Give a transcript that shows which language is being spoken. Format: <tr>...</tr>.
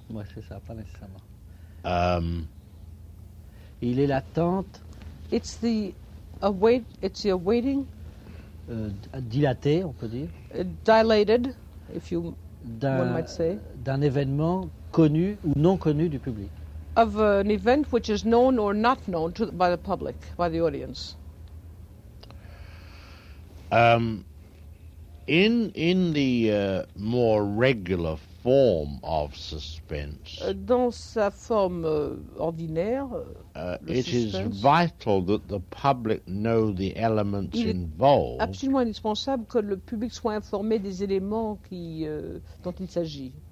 <fr>Moi, c'est ça, pas nécessairement. Il est l'attente.</fr> <en>It's the await. It's the awaiting.</en> <fr>Dilaté, on peut dire.</fr> <en>Dilated, if you one might say.</en> <fr>D'un événement connu ou non connu du public.</fr> <en>Of an event which is known or not known to by the public, by the audience. In the more regular form of suspense,</en> <fr>dans sa forme ordinaire,</fr> <en>it is vital that the public know the elements involved.</en> <fr>Il est absolument indispensable que le public soit informé des éléments qui dont il s'agit.</fr>